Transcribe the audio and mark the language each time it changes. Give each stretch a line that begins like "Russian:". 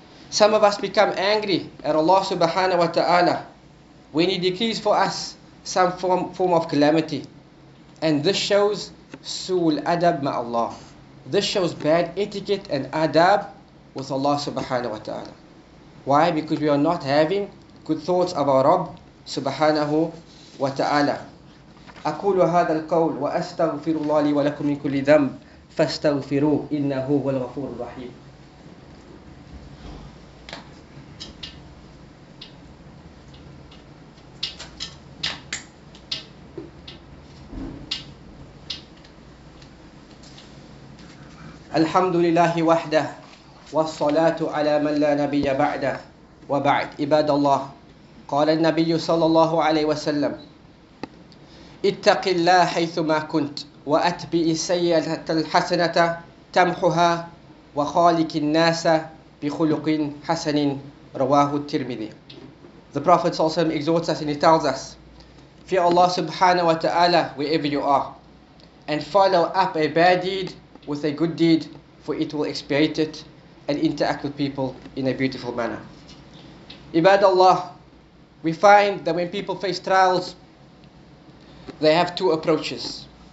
English: Some of us become angry at Allah subhanahu wa ta'ala when He decrees for us some form of calamity. And this shows su'ul adab ma Allah. This shows bad etiquette and adab with Allah subhanahu wa ta'ala. Why? Because we are not having good thoughts of our Rabb subhanahu wa ta'ala.
Arabic: أقول هذا القول وأستغفر الله لي ولكم من كل ذنب فاستغفروه إنه هو الغفور الرحيم. الحمد لله وحده والصلاة على من لا نبي بعده وبعد. عباد الله, قال النبي صلى الله عليه وسلم, اتق الله حيثما كنت وأتبع السيئة الحسنة تمحها وخالق الناس بخلق حسن رواه الترمذي.
English: The Prophet
Arabic: صلى الله عليه وسلم
English: exhorts us and he tells us, fear Allah subhanahu wa ta'ala wherever you are, and follow up a bad deed with a good deed, for it will expiate it and interact with people in a beautiful manner. Ibad Allah, we find that when people face trials, they have two approaches.